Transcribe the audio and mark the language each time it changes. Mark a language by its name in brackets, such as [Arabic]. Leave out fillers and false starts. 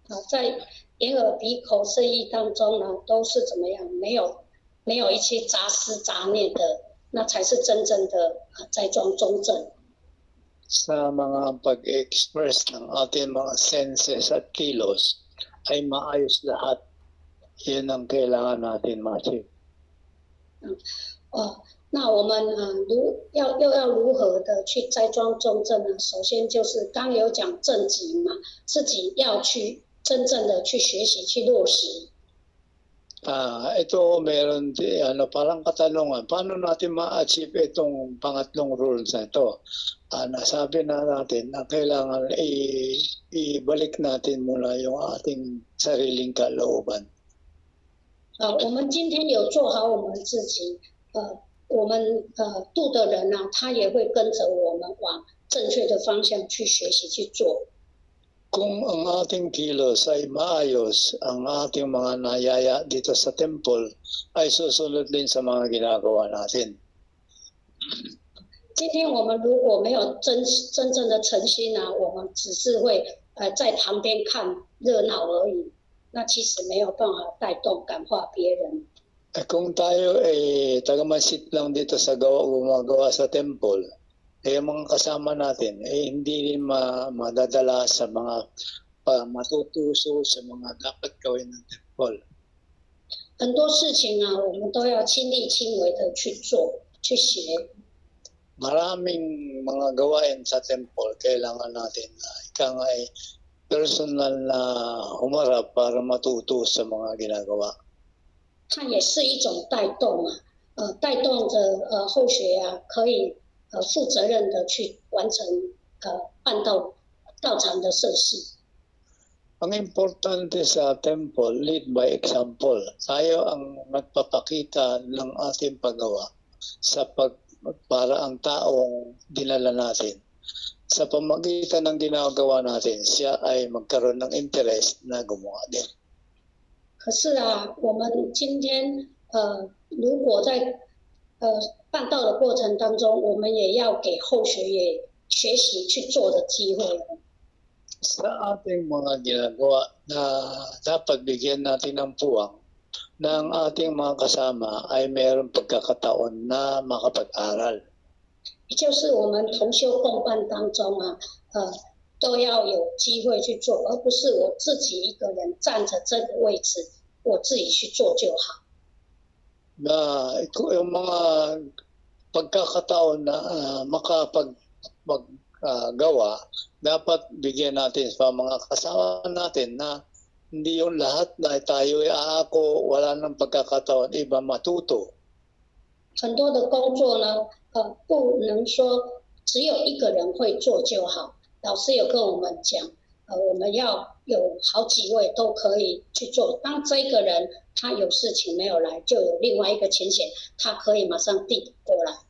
[Chinese] 在眼耳鼻口身意当中呢，都是怎么样？没有一些杂思杂念的，那才是真正的斋庄中正。 [Filipino] Sa mga pag-express ng ating mga senses at kilos ay maayos lahat. Yan ang kailangan natin, Matthew. [Chinese] 那我们要如何的去斋庄重正呢？首先就是刚有讲正极嘛，自己要去真正的去学习去落实。 [Filipino] Ito meron din parang katanungan, paano natin ma-achieve itong pangatlong rules na ito? Nasabi na natin na kailangan ibalik natin muna yung ating sariling kalooban. [Chinese] 我们今天有做好我们自己，我们度的人呢、他也会跟着我们往正确的方向去学习去做。 [Filipino] Kung ang ating kilos ay maayos, ang ating mga nayaya dito sa temple ay susunod din sa mga ginagawa natin. [Chinese] 今天我们如果没有真正的诚心呢、我们只是会在旁边看热闹而已，那其实没有办法带动感化别人。 [Filipino] Kung tayo ay tagamasit lang dito sa gumagawa sa temple, eh mga kasama natin hindi rin madadala sa mga matutuso sa mga dapat gawin ng temple. [Chinese] 很多事情啊，我们都要亲力亲为的去做，去学。 [Filipino] Maraming mga gawain sa temple kailangan natin na ikaw ay personal na humarap para matuto sa mga ginagawa. [Chinese] 它也是一种带动啊，带动着后学啊，可以负责任的去完成办道场的设施。 [Filipino] Ang importante sa temple, [English] lead by example. [Filipino] Tayo ang magpapakita ng ating paggawa sa para ang taong dinala natin. Sa pamamagitan ng ginagawa natin, siya ay magkaroon ng interest na gumawa din. [Chinese] 可是啊，我们今天如果在办道的过程当中，我们也要给后学也学习去做的机会。 [Filipino] Sa ating mga ginagawa na dapat bigyan natin ng puwang ng ating mga kasama ay mayroong pagkakataon na makapag-aral. [Chinese] 就是我们同修共伴当中啊，都要有机会去做，而不是我自己一个人站着这个位置，我自己去做就好。 [Filipino] Na yung mga pagkakataon na makapag-gawa, dapat bigyan natin sa mga kasama natin na hindi yung lahat na tayo ay aako, wala nang pagkakataon, iba matuto. [Chinese] 很多的工作呢，不能说只有一个人会做就好。老师有跟我们讲，我们要有好几位都可以去做。当这个人他有事情没有来，就有另外一个情形，他可以马上递过来。